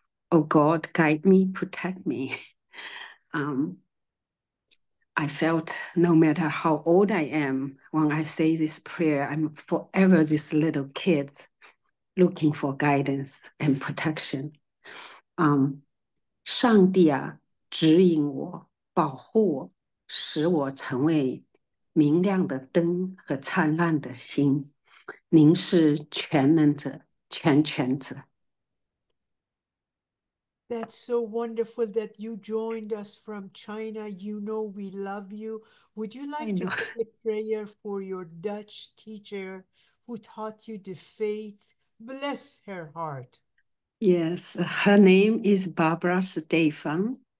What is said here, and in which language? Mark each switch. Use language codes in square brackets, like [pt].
[en] Oh God, guide me, protect me. I felt no matter how old I am, when I say this prayer, I'm forever this little kid looking for guidance and protection. [zh] 上帝啊，指引我，保护我，使我成为 明亮的灯和灿烂的心，您是全能者、全权者。 [en] That's so wonderful that you joined us from China. You know we love you. Would you I like to know. say a prayer for your Dutch teacher who taught you the faith? Bless her heart. Yes, her name is Barbara Stefan.